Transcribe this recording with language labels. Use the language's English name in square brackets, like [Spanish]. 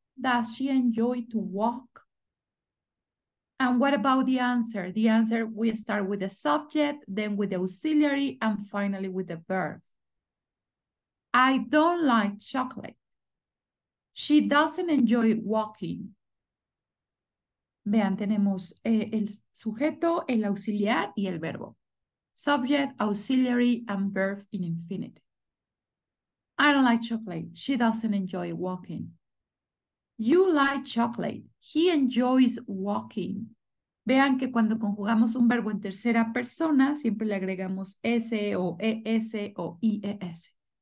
[English] Does she enjoy to walk? And what about the answer? The answer, we start with the subject, then with the auxiliary, and finally with the verb. I don't like chocolate. She doesn't enjoy walking. [Spanish] Vean, tenemos el sujeto, el auxiliar y el verbo. [English] Subject, auxiliary, and verb in infinitive. I don't like chocolate. She doesn't enjoy walking. You like chocolate. He enjoys walking. [Spanish] Vean que cuando conjugamos un verbo en tercera persona, siempre le agregamos S o ES o IES.